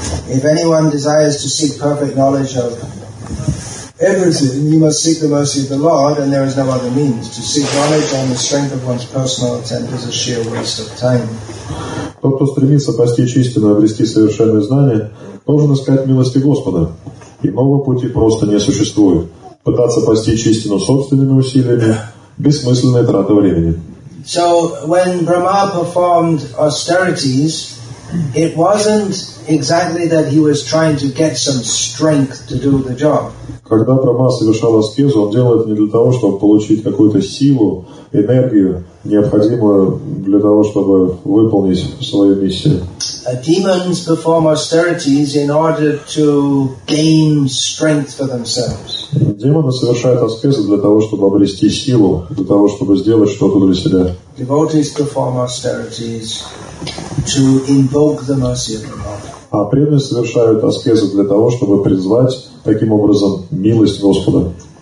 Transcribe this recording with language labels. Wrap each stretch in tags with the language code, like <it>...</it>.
<en>If anyone desires to seek perfect knowledge of everything, you must seek the mercy of the Lord, and there is no other means. To seek knowledge on the strength of one's personal attempt is a sheer waste of time.</en> <ru>Тот, кто стремится постичь истину, обрести совершенное знание, должен искать милости Господа. Иного пути просто не существует. Пытаться постичь истину собственными усилиями – бессмысленная трата времени.</ru> <en>So, when Brahma performed austerities, it wasn't exactly that he was trying to get some strength to do the job.</en> <ru>Когда Брахма совершал аскезу, он делал это не для того, чтобы получить какую-то силу, энергию, необходимую для того, чтобы выполнить свою миссию.</ru> <en>Demons perform austerities in order to gain strength for themselves.</en> <ru>Демоны совершают аскезы для того, чтобы обрести силу, для того, чтобы сделать что-то для себя.</ru> <en>Devotees perform austerities to invoke the mercy of God.</en> <ru>А преданные совершают аскезы для того, чтобы призвать таким образом милость Господа.</ru>